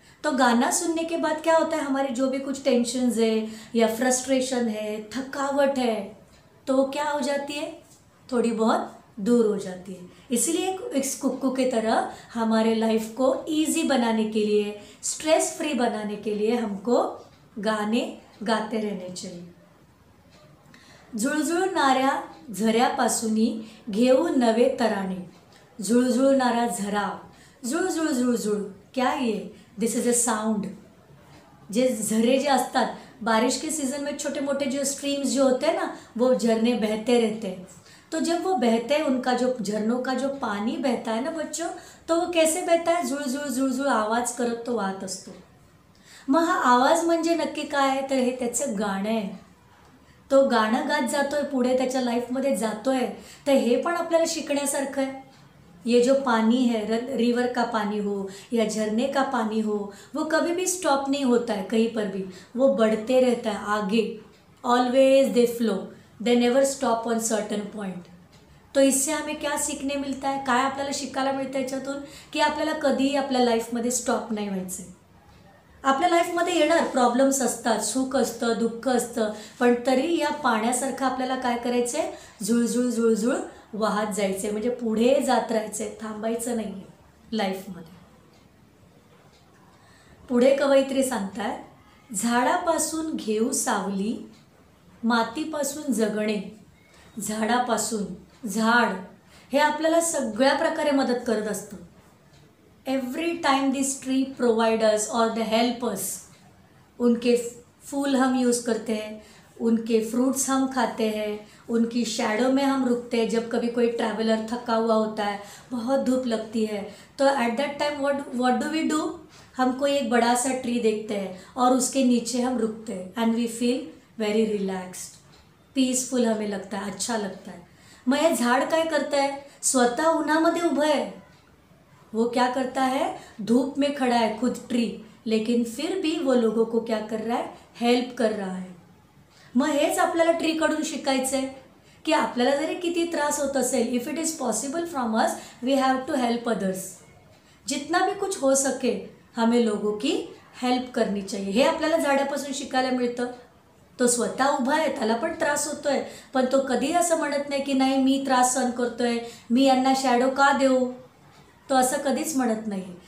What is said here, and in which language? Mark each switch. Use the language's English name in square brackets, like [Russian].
[Hindi] तो गाना सुनने के बाद क्या होता है, हमारे जो भी कुछ टेंशन्स है या फ्रस्ट्रेशन है, थकावट है, तो वो क्या हो जाती है, थोड़ी बहुत दूर हो जाती है. इसलिए एक कुक्कू की तरह हमारे लाइफ को ईजी बनाने के लिए, स्ट्रेस फ्री बनाने के लिए हमको गाने गाते रहने चाहिए. [Marathi] झुळझुळणाऱ्या झऱ्यापासूनही घेऊ नवे तराणे. झुळझुळणारा झरा, झुळझुळ झुळझुळ क्या ये, [English] This is a sound. [Marathi] जे झरे जे असतात [Hindi] बारिश के सीजन में, छोटे मोटे जो स्ट्रीम्स जो होते हैं ना, वो झरने बहते रहते हैं. तो जब वो बहते हैं, उनका जो झरनों का जो पानी बहता है ना बच्चों, तो वो कैसे बहता है, [Marathi] झुळझुळ झुळझुळ आवाज करत तो वाहत असतो. मग हा आवाज म्हणजे नक्की काय, तर हे त्याचं गाणं आहे. तो गाणं गात जातो आहे, पुढे त्याच्या लाईफमध्ये जातो आहे, तर हे पण आपल्याला शिकण्यासारखं आहे. [Hindi] ये जो पाणी है, रिवर का पाणी हो या झरने का पाणी हो, वो कभी भी स्टॉप नहीं होता है कहीं पर भी, वो बढ़ते रहता है आगे. [English] Always they flow, they never stop on certain point. [Hindi] तो इससे हमें क्या सीखने मिलता है, [Marathi] काय आपल्याला शिकायला मिळतं याच्यातून, की आपल्याला कधीही आपल्या लाईफमध्ये स्टॉप नाही व्हायचं. आपल्या लाईफमध्ये येणार प्रॉब्लेम्स असतात, सुख असतं, दुःख असतं, पण तरी या पाण्यासारखं आपल्याला काय करायचं आहे, झुळझुळ झुळझुळ वाहत जायचं आहे, म्हणजे पुढे जात राहायचं आहे, थांबायचं नाही आहे लाईफमध्ये. पुढे कवयित्री सांगताय, झाडापासून घेऊ सावली, मातीपासून जगणे. झाडापासून, झाड हे आपल्याला सगळ्या प्रकारे मदत करत असतं. [English] every time this tree providers or the helpers, [Hindi] उनके फूल हम यूज करते हैं, उनके फ्रूट्स हम खाते हैं, उनकी शैडो में हम रुकते हैं. जब कभी कोई ट्रैवलर थका हुआ होता है, बहुत धूप लगती है, तो [English] at that time what do we do, [Hindi] हम कोई एक बड़ा सा ट्री देखते हैं और उसके नीचे हम रुकते हैं, [English] and we feel very relaxed, [Hindi] peaceful हमें लगता है, अच्छा लगता है. [Marathi] मग हे झाड काय करता है, स्वतः उन्हामध्ये उभं आहे, [Hindi] वो क्या करता है, धूप में खड़ा है खुद ट्री, लेकिन फिर भी वो लोगों को क्या कर रहा है, हेल्प कर रहा है. [Marathi] मग हेच आपल्याला ट्री कडून शिकायचं आहे की आपल्याला जरी किती त्रास होत असेल, [English] If it is possible from us, we have to help others. [Hindi] जितना भी कुछ हो सके हमें लोगों की हेल्प करनी चाहिए, [Marathi] हे आपल्याला झाडापासून शिकायला मिळतं. तो स्वतः उभा आहे, त्याला पण त्रास होतो आहे, पण तो कधी असं म्हणत नाही की नाही मी त्रास सहन करतो आहे, मी यांना शॅडो का देऊ, तो असं कधीच म्हणत नाही.